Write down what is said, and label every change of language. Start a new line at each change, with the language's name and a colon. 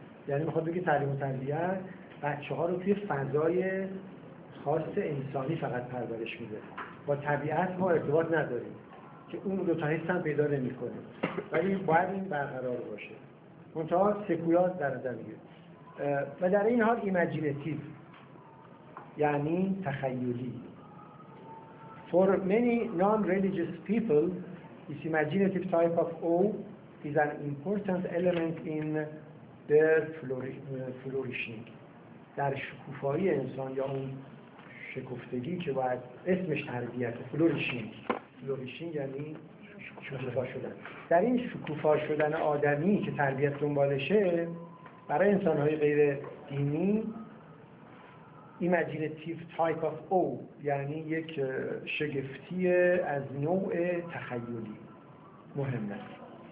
Persian: یعنی میخواد بگه تعلیم و تربیت بچه ها رو توی فضای خاص انسانی فقط پرورش میده، با طبیعت ما ارتباط نداریم که اون دوتا حس هم پیدا نمی کنه، ولی باید این برقرار باشه. منتها سکویاز در نظر میگیره و در این حال ایمجینتیو یعنی تخیلی.
English: For many non-religious people this imaginative type of awe is an important element in their flourishing.
Persian: در شکوفایی انسان یا اون شکوفتگی که باید اسمش تربیت فلوریشینگ. فلوریشینگ یعنی شکوفا شدن. در این شکوفا شدن آدمی که تربیت دنبالشه برای انسان‌های غیر دینی
English: imaginative type of awe
Persian: یعنی یک شگفتی از نوع تخیلی مهم است.